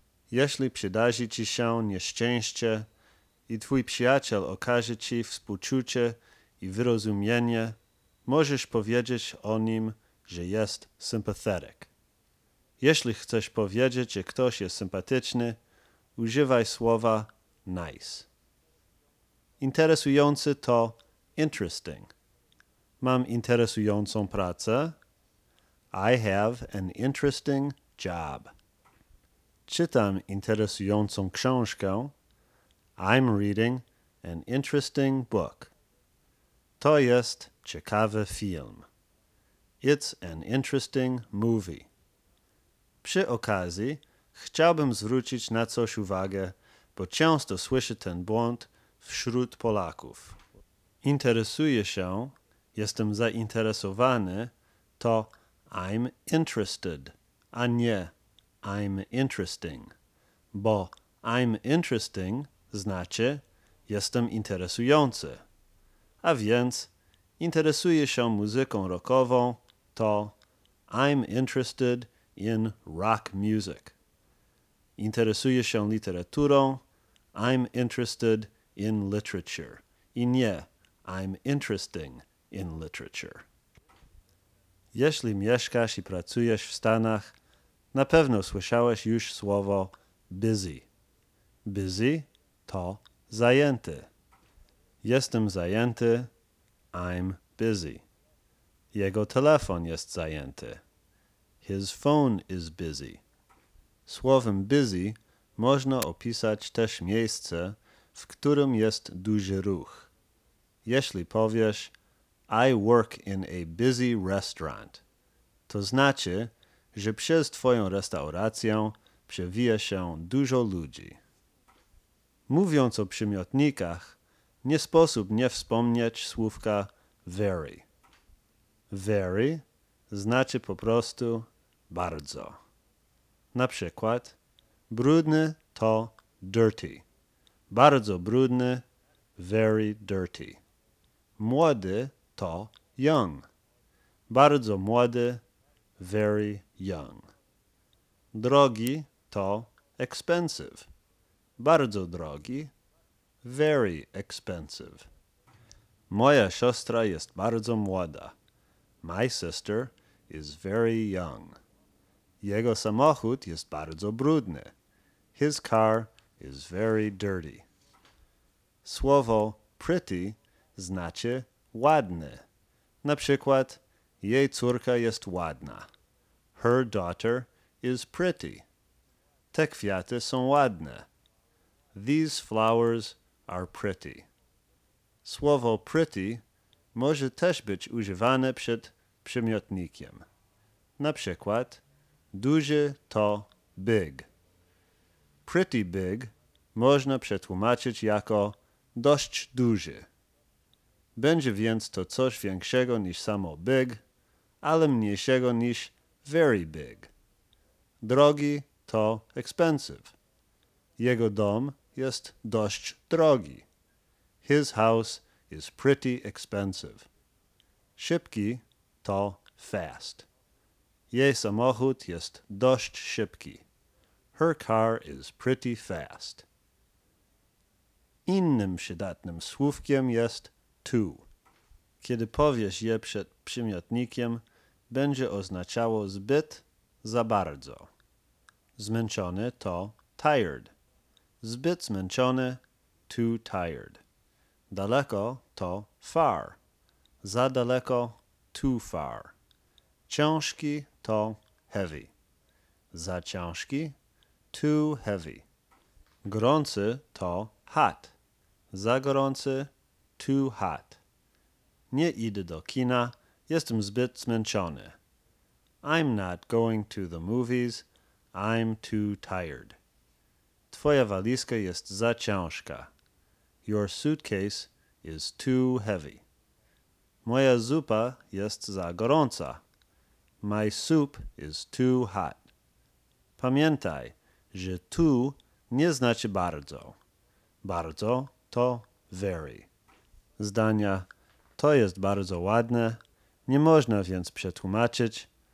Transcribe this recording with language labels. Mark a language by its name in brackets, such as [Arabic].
[Polish] Jeśli przydarzy ci się nieszczęście i twój przyjaciel okaże ci współczucie i wyrozumienie, możesz powiedzieć o nim, że jest sympathetic. Jeśli chcesz powiedzieć, że ktoś jest sympatyczny, używaj słowa nice. Interesujący to interesting. Mam interesującą pracę. [English] I have an interesting job. [Polish] Czytam interesującą książkę. [English] I'm reading an interesting book. [Polish] To jest ciekawy film. [English] It's an interesting movie. [Polish] Przy okazji, chciałbym zwrócić na coś uwagę, bo często słyszę ten błąd wśród Polaków. Interesuję się, jestem zainteresowany, to [English] I'm interested, [Polish] a nie [English] I'm interesting. [Polish] Bo [English] I'm interesting [Polish] znaczy jestem interesujący. A więc interesuję się muzyką rockową, to [English] I'm interested in rock music. [Polish] Interesuję się literaturą, [English] I'm interested in literature. [Polish] I nie, [English] I'm interesting in literature. [Polish] Jeśli mieszkasz i pracujesz w Stanach, na pewno słyszałeś już słowo busy. Busy to zajęty. Jestem zajęty, [English] I'm busy. [Polish] Jego telefon jest zajęty. [English] His phone is busy. [Polish] Słowem busy można opisać też miejsce, w którym jest duży ruch. Jeśli powiesz, [English] I work in a busy restaurant, [Polish] to znaczy, że przez twoją restaurację przewija się dużo ludzi. Mówiąc o przymiotnikach, nie sposób nie wspomnieć słówka very. Very znaczy po prostu bardzo. Na przykład, brudny to dirty. Bardzo brudny, very dirty. Młody to young. Bardzo młody, very young. Drogi to expensive. Bardzo drogi, very expensive. Moja siostra jest bardzo młoda. [English] My sister is very young. [Polish] Jego samochód jest bardzo brudny. [English] His car is very dirty. [Polish] Słowo pretty znaczy ładny. Na przykład, jej córka jest ładna. [English] Her daughter is pretty. [Polish] Te kwiaty są ładne. [English] These flowers are pretty. [Polish] Słowo pretty może też być używane przed przymiotnikiem. Na przykład, duży to big. Pretty big można przetłumaczyć jako dość duży. Będzie więc to coś większego niż samo big, ale mniejszego niż very big. Drogi to expensive. Jego dom jest dość drogi. [English] His house is pretty expensive. [Polish] Szybki to [English] fast. [Polish] Jej samochód jest dość szybki. [English] Her car is pretty fast. [Polish] Innym przydatnym słówkiem jest to. Kiedy powiesz je przed przymiotnikiem, będzie oznaczało zbyt, za bardzo. Zmęczony to tired. Zbyt zmęczony, too tired. Daleko to far. Za daleko, too far. Ciężki to heavy. Za ciężki, too heavy. Gorący to hot. Za gorący, too hot. Nie idę do kina, jestem zbyt zmęczony. [English] I'm not going to the movies, I'm too tired. [Polish] Twoja walizka jest za ciężka. [English] Your suitcase is too heavy. [Polish] Moja zupa jest za gorąca. [English] My soup is too hot. [Polish] Pamiętaj, że tu nie znaczy bardzo. Bardzo to very. Zdania: to jest bardzo ładne, nie można więc przetłumaczyć.